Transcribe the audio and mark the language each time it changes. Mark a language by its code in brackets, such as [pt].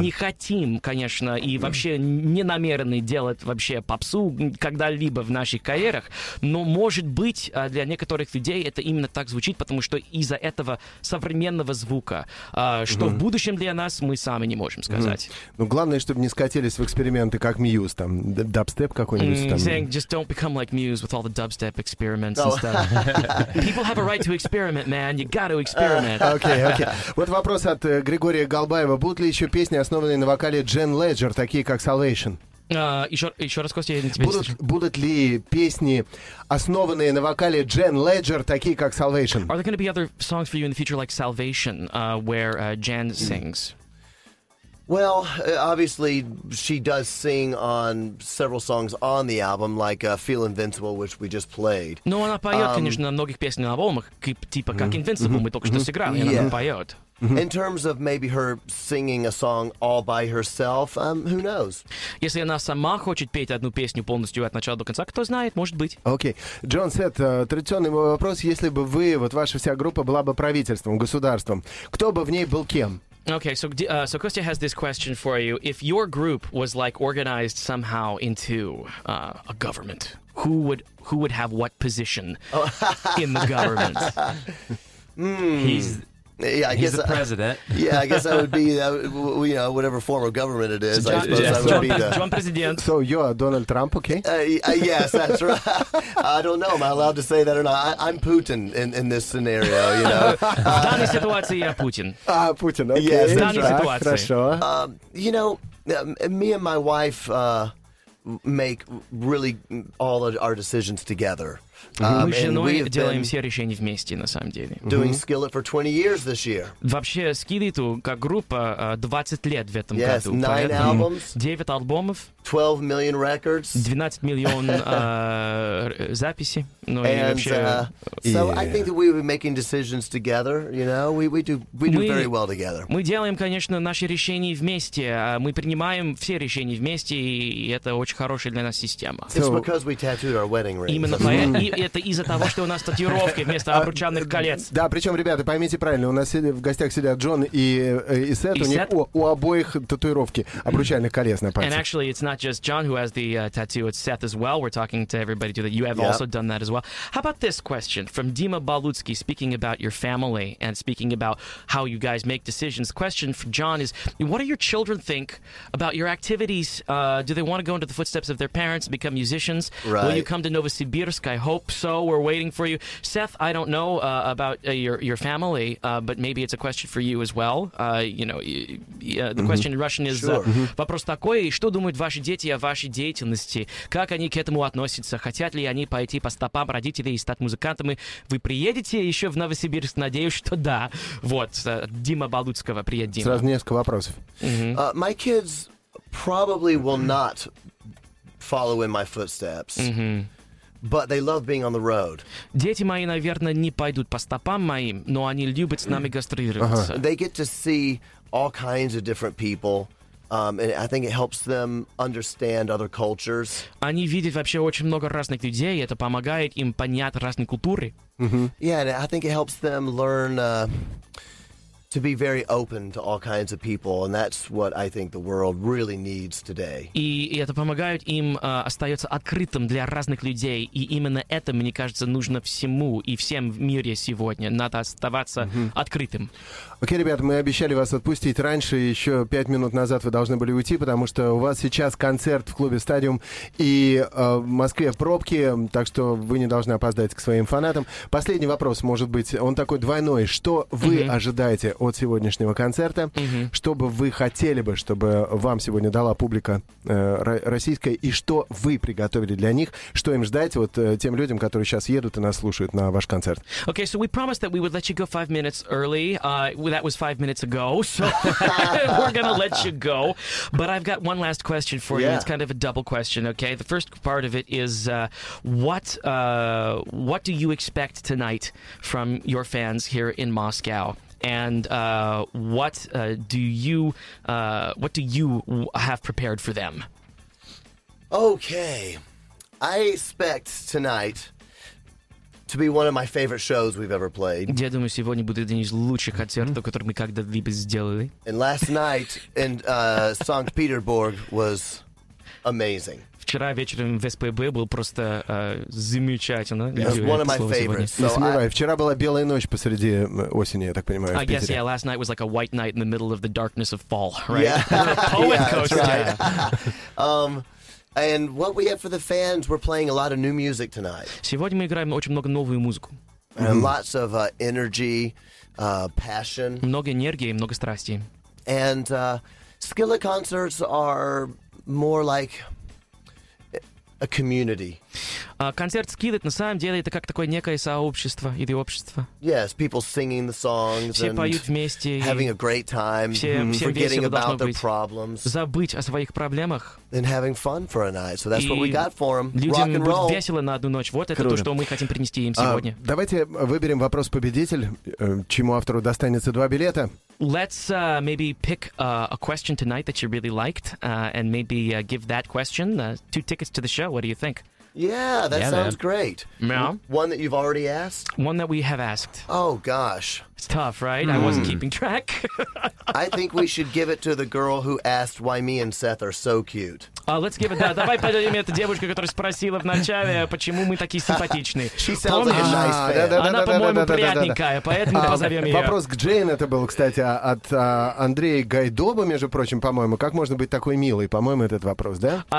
[ru] не хотим, конечно, и вообще не намерены делать вообще попсу когда-либо в наших карьерах, но, может быть, для некоторых людей это именно так звучит, потому что из-за этого современного звука, что угу. в будущем для нас, мы сами не можем сказать. Угу. Ну, главное, чтобы не скатились в эксперименты, как Muse, там, дабстеп какой-нибудь. [en] Saying, just don't become like Muse with all the dubstep experiments and stuff. People have a right to experiment, man. You got to experiment. Okay, okay. [ru] Вот вопрос от Григория Голбаева. Будут ли еще песни, основанные на вокале Джен Леджер, такие как Salvation? Еще раз, Костя, я не тебе Будут ли песни, основанные на вокале Джен Леджер, такие как Salvation? [en] Are there going to be other songs for you in the future, like Salvation, where Jen sings? Mm. Well, obviously, she does sing on several songs on the album, like Feel Invincible, which we just played. [ru] Но она поет, конечно, на многих песнях на альбомах, типа как Invincible, мы только что сыграли, она поет. [en] In terms of maybe her singing a song all by herself, who knows? [ru] Если она сама хочет петь одну песню полностью от начала до конца, кто знает, может быть. Окей. Джон Сет, традиционный мой вопрос. Если бы вы, вот ваша вся группа была бы правительством, государством, кто бы в ней был кем? [en] Okay, so so Kostya has this question for you. If your group was like organized somehow into a government, who would have what position in the government? He's the president. Yeah, I guess I would be whatever form of government it is. So John, I suppose yes. I would be the Trump president. So you are Donald Trump, okay? Yes, that's right. I don't know. Am I allowed to say that or not? I'm Putin in this scenario. You know, [ru] в данной ситуации я Путин. Путин, okay. [en] Yes, that's right. [ru] Хорошо. [en] You know, me and my wife make really all of our decisions together. [ru] Мы с женой делаем все решения вместе, на самом деле. [en] Doing Skillet for 20 years this year. [ru] Вообще, Skillet, как группа, 20 лет в этом [en] yes, [ru] году. [en] Yes, 9 albums. [ru] 9 альбомов. [en] 12 million records. [ru] 12 миллион записи. Ну, [en] and, [ru] и вообще... [en] I think that we were making decisions together, you know? We do very well together. [ru] Мы делаем, конечно, наши решения вместе. Мы принимаем все решения вместе, и это очень хорошая для нас система. [en] It's so, because we tattooed our wedding rings. [ru] Именно поэтому. И это из-за того, что у нас татуировки вместо обручальных колец. Да, причем, ребята, поймите правильно, у нас в гостях сидят Джон и Сет. У обоих татуировки обручальных колец на пальце. [en] And actually, it's not just John who has the tattoo, it's Seth as well. We're talking to everybody that you have also done that as well. How about this question from Dima Balutsky, speaking about your family and speaking about how you guys make decisions. Question for John is, what do your children think about your activities? Do they want to go into the footsteps of their parents and become musicians? Right. Will you come to Novosibirsk? I hope so. We're waiting for you. Seth, I don't know about your family, but maybe it's a question for you as well. The question in Russian is... [ru] Вопрос такой, что думают ваши дети о вашей деятельности? Как они к этому относятся? Хотят ли они пойти по стопам родителей и стать музыкантами? Вы приедете еще в Новосибирск? Надеюсь, что да. Вот, Дима Балуцкого. Привет, Дима. Сразу несколько вопросов. [en] My kids probably will not follow in my footsteps. But they love being on the road. [ru] Дети мои, наверное, не пойдут по стопам моим, но они любят с нами гастролироваться. [en] They get to see all kinds of different people. And I think it helps them understand other cultures. [ru] Они видят вообще очень много разных людей, это помогает им понять разные культуры. [en] Yeah, and I think it helps them learn to be very open to all kinds of people, and that's what I think the world really needs today. [ru] И это помогает им остается открытым для разных людей, и именно это, мне кажется, нужно всему и всем в мире сегодня. Надо оставаться открытым. Окей, ребята, мы обещали вас отпустить раньше, еще 5 минут назад вы должны были уйти, потому что у вас сейчас концерт в клубе «Стадиум», и в Москве пробки, так что вы не должны опоздать к своим фанатам. Последний вопрос, может быть, он такой двойной. Что вы ожидаете от сегодняшнего концерта, что бы вы хотели бы, чтобы вам сегодня дала публика российская, и что вы приготовили для них, что им ждать вот тем людям, которые сейчас едут и нас слушают на ваш концерт. [en] Okay, so we promised that we would let you go 5 minutes early. That was 5 minutes ago, so we're gonna let you go. But I've got one last question for you. It's kind of a double question, okay? The first part of it is what do you expect tonight from your fans here in Moscow? And what do you have prepared for them? Okay, I expect tonight to be one of my favorite shows we've ever played. [ru] Я думаю, сегодня будет один из лучших концертов, который мы когда-либо сделали. [en] And last night in St. Petersburg was amazing. [ru] Вчера вечером в СПБ был просто замечательно. [en] It was one of my favorites. [ru] Не сомневаюсь. Вчера была белая ночь посреди осени, я так понимаю, в Питере. [en] I guess, yeah, last night was like a white night in the middle of the darkness of fall, right? Yeah. Poet coaster. And what we have for the fans, we're playing a lot of new music tonight. [ru] Сегодня мы играем очень много новую музыку. [en] And lots of energy, passion. [ru] Много энергии, много страсти. [en] And Skillet concerts are more like... a community. [ru] Концерт Skillet на самом деле это как такое некое сообщество или общество. [en] Yes, people singing the songs [ru] все поют вместе, [en] having a great time, forgetting about their problems. [ru] Забыть о своих проблемах. [en] And having fun for a night. So that's what we got for them. [ru] Людям будет весело на одну ночь. Вот это то, что мы хотим принести им сегодня. Давайте выберем вопрос победитель, чему автору достанется два билета. [en] Let's maybe pick a question tonight that you really liked, and maybe give that question 2 tickets to the show. What do you think? Yeah, that sounds great. Yeah. One that you've already asked? One that we have asked. Oh, gosh. It's tough, right? I wasn't keeping track. I think we should give it to the girl who asked why me and Seth are so cute. Let's give it that. [ru] Давай подадим это девушке, которая спросила вначале, почему мы такие симпатичные. [en] She sounds like a nice fan. [ru] Она, по-моему, приятненькая, поэтому позовем ее. Вопрос к Джейн это был, кстати, от Андрея Гайдоба, между прочим, по-моему. Как можно быть такой милой? По-моему, этот вопрос, да?